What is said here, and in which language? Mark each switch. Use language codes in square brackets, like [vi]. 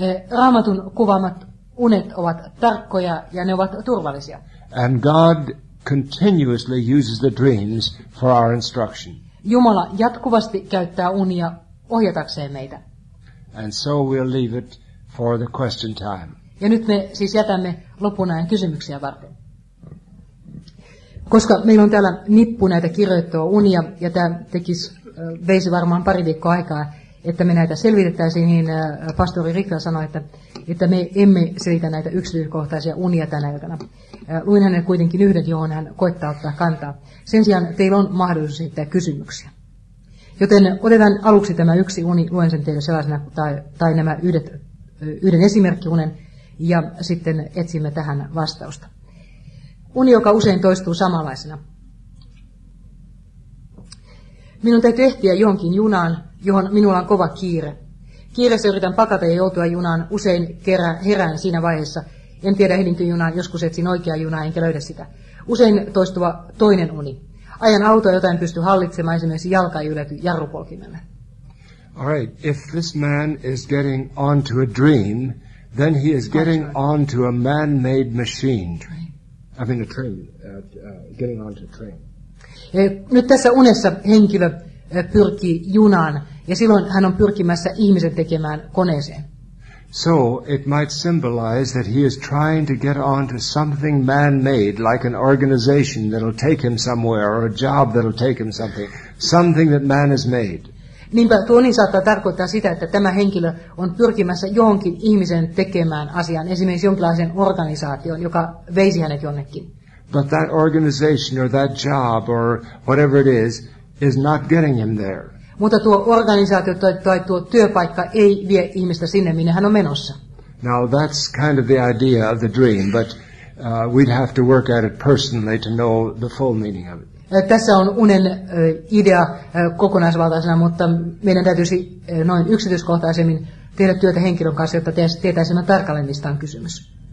[fi] Raamatun kuvaamat unet ovat tarkkoja ja ne ovat turvallisia. [en] And God continuously uses the dreams for our instruction. [fi] Jumala jatkuvasti käyttää unia ohjatakseen meitä. [en] And so we'll leave it for the question time. [fi] Ja nyt me siis jätämme lopun ajan kysymyksiä varten. Koska meillä on täällä nippu näitä kirjoittua unia, ja tämä veisi varmaan pari viikkoa aikaa, että me näitä selvitettäisiin, niin pastori Rikka sanoi, että me emme selitä näitä yksityiskohtaisia unia tänä iltana. Luin hänen kuitenkin yhden, johon hän koittaa ottaa kantaa. Sen sijaan teillä on mahdollisuus esittää kysymyksiä. Joten otetaan aluksi tämä yksi uni, luen sen teille sellaisena, tai nämä yhden esimerkkiunen, ja sitten etsimme tähän vastausta. Uni, joka usein toistuu samanlaisena. Minun täytyy ehtiä johonkin junaan, johon minulla on kova kiire. Kiireessä yritän pakata ja joutua junaan, usein herään siinä vaiheessa. En tiedä, ehdinkö junaan, joskus etsin oikeaa junaa, enkä löydä sitä. Usein toistuva toinen uni. Ajan autoa, jota en pysty hallitsemaan, esimerkiksi jalka ei ylety jarrupolkimelle. [en] All right, if this man is getting onto a dream, then he is getting onto a man-made machine. I mean the train, getting onto the train. [fi] Nyt tässä unessa henkilö pyrkii junaan, ja silloin hän on pyrkimässä ihmisen tekemään koneeseen. [en] So it might symbolize that he is trying to get onto something man-made, like an organization that'll take him somewhere, or a job that'll take him something, something that man has made. [fi] Niinpä tuo niin saattaa tarkoittaa sitä, että tämä henkilö on pyrkimässä johonkin ihmisen tekemään asian, esimerkiksi jonkinlaisen organisaation, joka veisi hänet jonnekin. [en] But that organization or that job or whatever it is not getting him there. [fi] Mutta tuo organisaatio tai tuo työpaikka ei vie ihmistä sinne, minne hän on menossa. [en] Now that's kind of the idea of the dream, but we'd have to work at it personally to know the full meaning of it. [fi] Tässä on unen idea kokonaisvaltaisena, mutta meidän täytyisi noin yksityiskohtaisemmin tehdä työtä henkilön kanssa, jotta tietäisimme tarkalleen, mistä on kysymys.